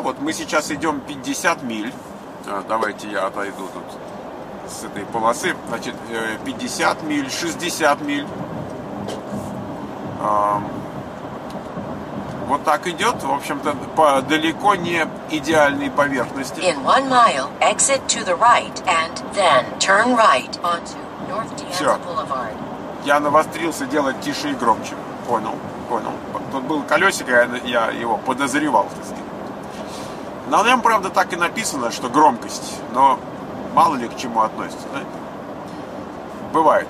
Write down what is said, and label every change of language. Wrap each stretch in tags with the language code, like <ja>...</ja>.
<ru>Вот мы сейчас идем 50 миль. Давайте я отойду тут с этой полосы. Значит, 50 миль, 60 миль. Вот так идет, в общем-то, по далеко не идеальной поверхности.</ru> <en>In 1 mile, exit to the right and then turn right onto North Dianza Boulevard.</en> <ru>Я навострился делать тише и громче. Понял. Тут был колесико, я его подозревал, так сказать. На нем, правда, так и написано, что громкость, но мало ли к чему относится, да? Бывает.</ru>